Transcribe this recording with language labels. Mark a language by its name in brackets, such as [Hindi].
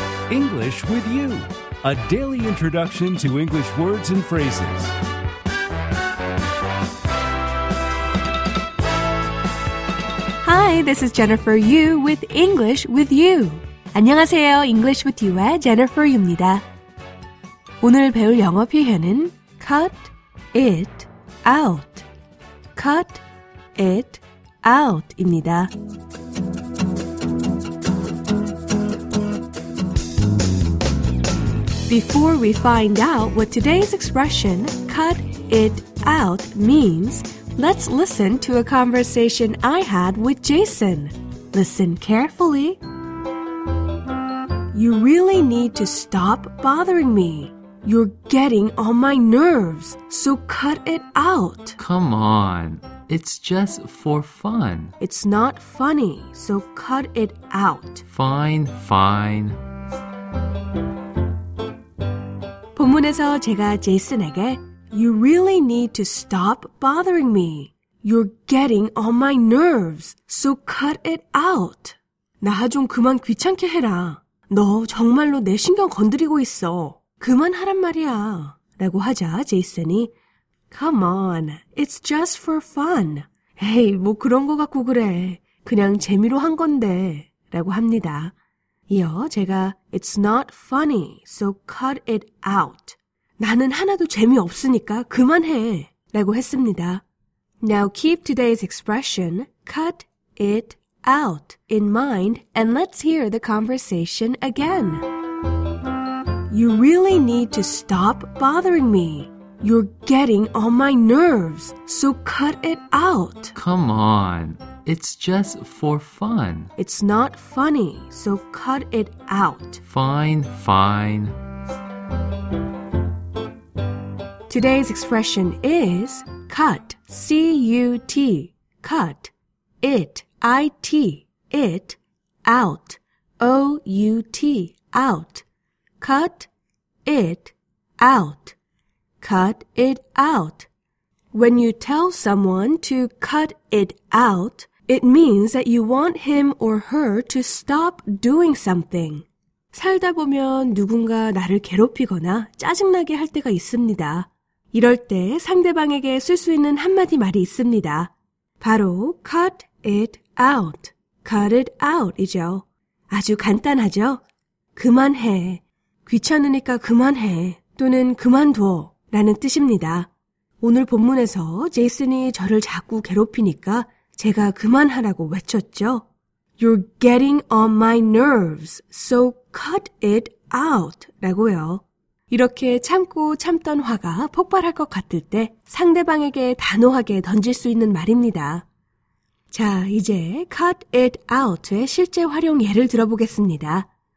[English] English with you, a daily introduction to English words and phrases. Hi, this is Jennifer Yu with English with you. [Korean] 안녕하세요, English with you의 Jennifer Yu입니다. 오늘 배울 영어 표현은 cut it out. Cut it out입니다. [English] Before we find out what today's expression, cut it out, means, let's listen to a conversation I had with Jason. Listen carefully. You really need to stop bothering me. You're getting on my nerves, so cut it out. Come on, it's just for fun. It's not funny, so cut it out. Fine, fine. [Korean] 본문에서 제가 제이슨에게 [English] You really need to stop bothering me. You're getting on my nerves, so cut it out. [Korean] 나 좀 그만 귀찮게 해라. 너 정말로 내 신경 건드리고 있어. 그만하란 말이야. 라고 하자 제이슨이 [English] Come on, it's just for fun. [Korean] 에이, 뭐 그런 거 갖고 그래. 그냥 재미로 한 건데. 라고 합니다. 이어 제가 [English] It's not funny, so cut it out. [Korean] 나는 하나도 재미없으니까 그만해. 라고 했습니다. [English] Now keep today's expression, cut it out, in mind, and let's hear the conversation again. You really need to stop bothering me. You're getting on my nerves, so cut it out. Come on. It's just for fun. It's not funny, so cut it out. Fine, fine. Today's expression is cut, C-U-T, cut, it, I-T, it, out, O-U-T, out, cut it out, cut it out. When you tell someone to cut it out, it means that you want him or her to stop doing something. [Korean] 살다 보면 누군가 나를 괴롭히거나 짜증나게 할 때가 있습니다. 이럴 때 상대방에게 쓸 수 있는 한마디 말이 있습니다. 바로 cut it out. Cut it out이죠. 아주 간단하죠? 그만해. 귀찮으니까 그만해. 또는 그만둬. 라는 뜻입니다. 오늘 본문에서 제이슨이 저를 자꾸 괴롭히니까 제가 그만하라고 외쳤죠. [English] You're getting on my nerves, so cut it out. [Korean] 라고요. 이렇게 참고 참던 화가 폭발할 것 같을 때 상대방에게 단호하게 던질 수 있는 말입니다. 자, 이제 cut it out의 실제 활용 예를 들어보겠습니다.